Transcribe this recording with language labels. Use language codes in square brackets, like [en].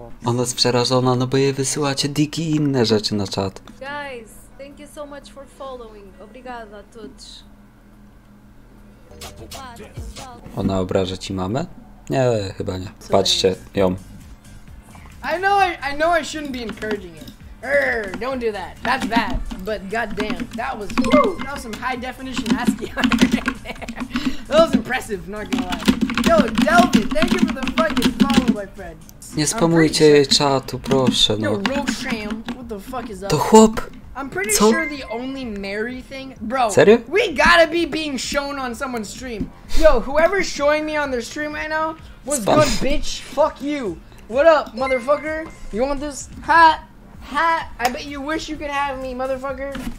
[pl] Ona jest przerażona, no bo jej wysyłacie diki i inne rzeczy na czat. [en] Guys, thank you so much for following. Obrigada, tuć. [pl] Ona obraża ci mamę? Nie, chyba nie. Patrzcie ją. [en] I know I shouldn't be encouraging it. Don't do that. That's bad. But goddamn, that was some high definition ASCII right there. That was impressive, not gonna lie. Yo, Delvin, thank you for the fucking follow, my friend. [pl] Nie spamujcie jej czatu, proszę, no. To chłop! [en] I'm pretty sure the only Mary thing... Bro, [pl] serio? [en] We gotta be being shown on someone's stream. Yo, whoever's showing me on their stream right now, what's good, bitch? Fuck you. What up, motherfucker? You want this hat? Hat? I bet you wish you could have me, motherfucker.